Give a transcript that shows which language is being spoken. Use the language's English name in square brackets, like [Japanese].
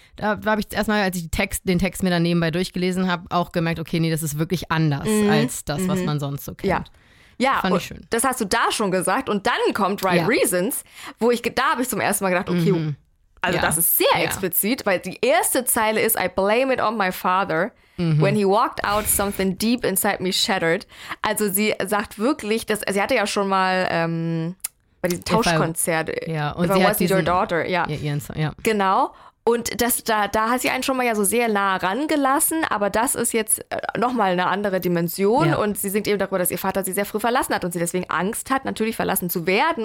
[German] Da habe ich erstmal, als ich den Text mir dann nebenbei durchgelesen habe, auch gemerkt, okay, nee, das ist wirklich anders als das, was man sonst so kennt. Ja. Ja, das hast du da schon gesagt. Und dann kommt Right Reasons, wo ich, da habe ich zum ersten Mal gedacht, okay, also das ist sehr explizit, weil die erste Zeile ist, [English] I blame it on my father. When he walked out, something deep inside me shattered. [German] Also sie sagt wirklich, dass sie hatte ja schon mal bei diesem Tauschkonzert, [English] if I was your daughter. [German] Genau. Und das, da hat sie einen schon mal ja so sehr nah rangelassen, aber das ist jetzt nochmal eine andere Dimension. Ja. Und sie singt eben darüber, dass ihr Vater sie sehr früh verlassen hat und sie deswegen Angst hat, natürlich verlassen zu werden.